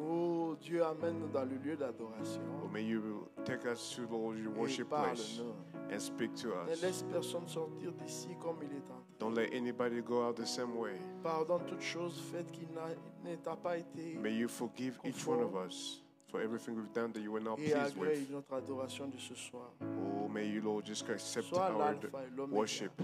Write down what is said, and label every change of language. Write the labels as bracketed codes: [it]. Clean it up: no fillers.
[fr] Oh Dieu, amène-nous dans le lieu d'adoration. [en] Oh, may you take us to Lord your worship place. And speak to us. [fr] Ne laisse personne sortir d'ici comme il est entré. [en] Don't let anybody go out the same way. [fr] Pardonne toutes choses faites qui n'ont pas été. [en] May you forgive each one of us for everything we've done that you were not pleased with. [fr] Et agrée notre adoration de ce soir. [en] Oh, may you, Lord, just accept our worship.